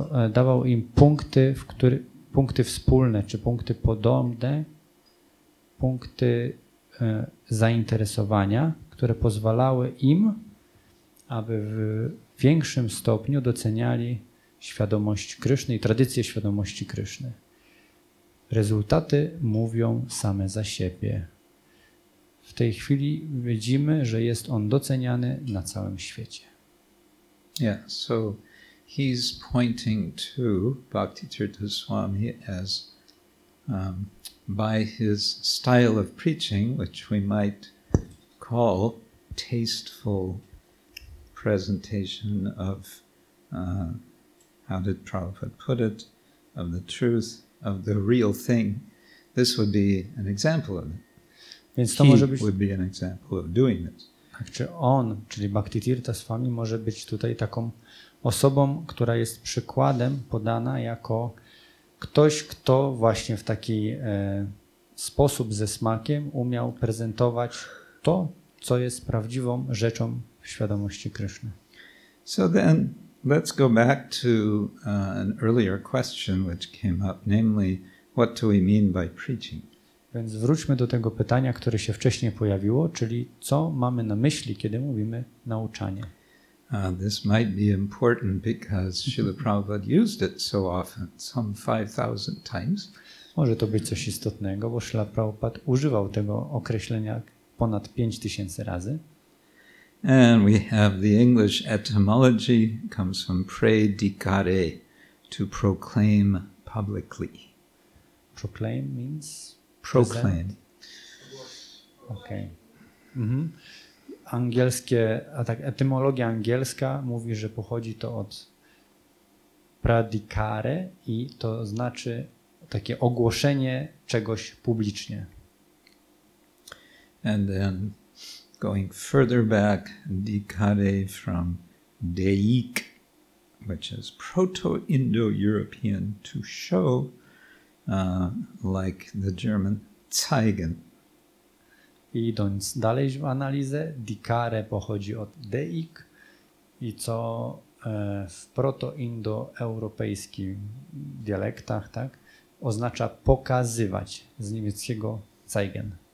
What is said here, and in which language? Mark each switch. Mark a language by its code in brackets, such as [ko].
[pl] Dawał im punkty wspólne, czy punkty podobne, punkty zainteresowania, które pozwalały im, aby w większym stopniu doceniali świadomość Kryszny i tradycję świadomości Kryszny. Rezultaty mówią same za siebie. W tej chwili widzimy, że jest on doceniany na całym świecie. [en] Yeah, so he's pointing to Bhaktivedanta Swami as by his style of preaching, which we might call tasteful presentation of how did Prabhupada put it, of the truth, of the real thing. This would be an example of it. [pl] Więc to może być, [en] would be an example of doing this. [pl] Tak, czy on, czyli Bhaktivedanta Swami, może być tutaj taką osobą, która jest przykładem podana jako ktoś, kto właśnie w taki sposób ze smakiem umiał prezentować to, co jest prawdziwą rzeczą w świadomości Kryszny. [en] So then let's go back to an earlier question which came up, namely what do we mean by preaching? [pl] Więc wróćmy do tego pytania, które się wcześniej pojawiło, czyli co mamy na myśli, kiedy mówimy nauczanie? [en] This might be important because Śrīla Prabhupāda used it so often, some 5,000 times. [pl] Może to być coś istotnego, bo Śrīla Prabhupāda używał tego określenia ponad 5,000 razy. [en] And we have the English etymology comes from predicare, to proclaim publicly. Proclaim means? Proclaim. Okay. Mm-hmm. [pl] Angielskie, a tak etymologia angielska mówi, że pochodzi to od predicare i to znaczy takie ogłoszenie czegoś publicznie. [en] And then going further back, dicare from deik, which is Proto-Indo-European, to show, like the German zeigen. [pl] Idąc dalej w analizę, dicare pochodzi od deik i co w proto-indo-europejskim dialektach, tak, oznacza pokazywać, z niemieckiego zeigen.